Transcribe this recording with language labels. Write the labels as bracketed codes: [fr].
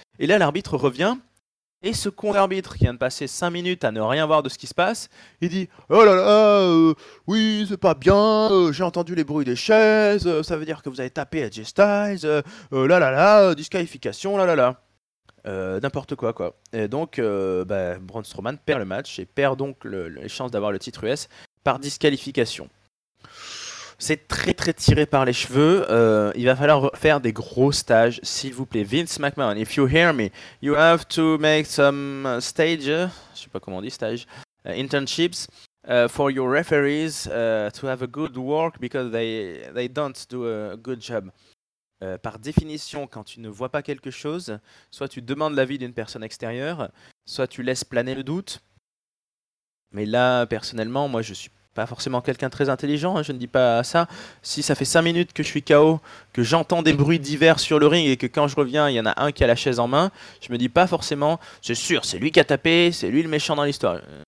[fr] Et là, l'arbitre revient. Et ce con d'arbitre qui vient de passer 5 minutes à ne rien voir de ce qui se passe, il dit: Oh là là, oui, c'est pas bien, j'ai entendu les bruits des chaises, ça veut dire que vous avez tapé AJ Styles, là là là, disqualification, là là là. N'importe quoi, quoi. Et donc, Braun Strowman perd le match et perd donc les chances d'avoir le titre US par disqualification. C'est très très tiré par les cheveux. Il va falloir faire des gros stages, s'il vous plaît. [en] Vince McMahon, if you hear me, you have to make some stage, [fr] je sais pas comment on dit stage, [en] internships for your referees to have a good work because they don't do a good job. [fr] Par définition, quand tu ne vois pas quelque chose, soit tu demandes l'avis d'une personne extérieure, soit tu laisses planer le doute. Mais là, personnellement, moi je suis pas forcément quelqu'un de très intelligent, hein, je ne dis pas ça. Si ça fait 5 minutes que je suis KO, que j'entends des bruits divers sur le ring et que quand je reviens, il y en a un qui a la chaise en main, je me dis pas forcément, c'est sûr, c'est lui qui a tapé, c'est lui le méchant dans l'histoire.